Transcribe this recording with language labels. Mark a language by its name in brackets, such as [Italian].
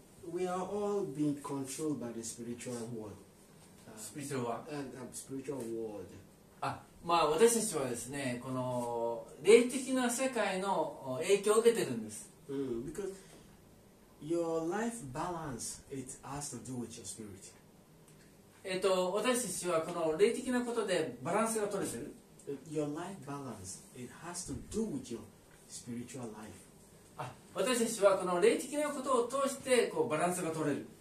[English] we are all being controlled by the spiritual world. Spiritual world. Spiritual world. [Japanese] まあ私たちはですね、この霊的な世界の影響を受けてるんです。 [English] Because your life balance it has to do with your spirit. [Japanese] 私たちはこの霊的なことでバランスが取れてる。 [English] Your life balance it has to do with your spiritual life. [Japanese] 私たちはこの霊的なことを通してこうバランスが取れる。